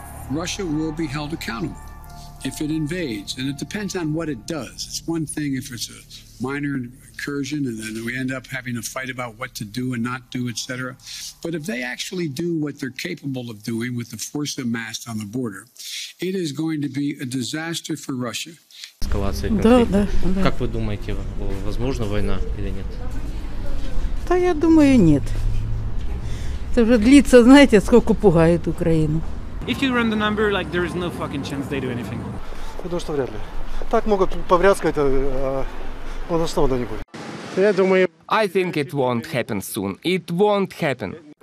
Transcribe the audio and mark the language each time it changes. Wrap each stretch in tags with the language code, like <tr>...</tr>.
<en>Russia will be held accountable if it invades, and it depends on what it does. It's one thing if it's a minor incursion and then we end up having a fight about what to do and not do, etc. But if they actually do what they're capable of doing with the force amassed on the border, it is going to be a disaster for Russia. Escalation conflict.</en> <ru>Да, да. Как вы думаете, возможно война или нет? Да, я думаю, нет. Это уже длится, знаете, сколько пугает Украину.</ru> <en>If you run the number, like, there is no fucking chance they do anything.</en> <ru>Я думаю, что вряд ли. Так могут поврязкать,</ru> <en>I think it won't happen soon. It won't happen.</en>